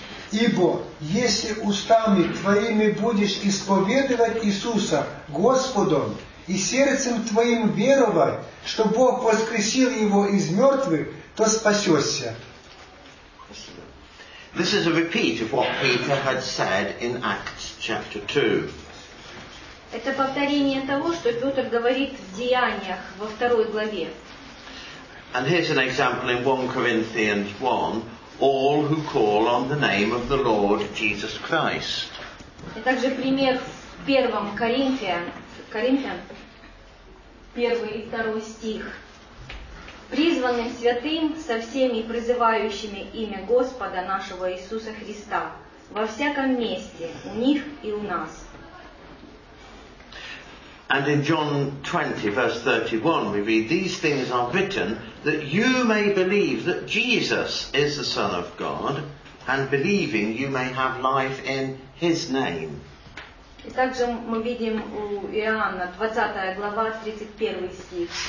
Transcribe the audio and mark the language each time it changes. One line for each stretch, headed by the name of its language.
Russian: Ибо если устами твоими будешь исповедовать Иисуса Господом и сердцем твоим веровать, что Бог воскресил его из мертвых, то спасешься.
English: This is a repeat of what Peter had said in Acts chapter 2.
Russian: Это повторение того, что Петр говорит в Деяниях во второй главе.
English: And here's an example in 1 Corinthians 1, all who call on the name of the Lord Jesus Christ.
Russian: И также пример в 1 Коринфян, 1 и 2 стих. Призванным святым со всеми призывающими имя Господа нашего Иисуса Христа во всяком месте, у них и у нас.
English: And in John 20, verse 31, we read, these things are written that you may believe that Jesus is the Son of God, and believing you may have life in his name.
Russian: И также мы видим у Иоанна 20 глава, 31 стих.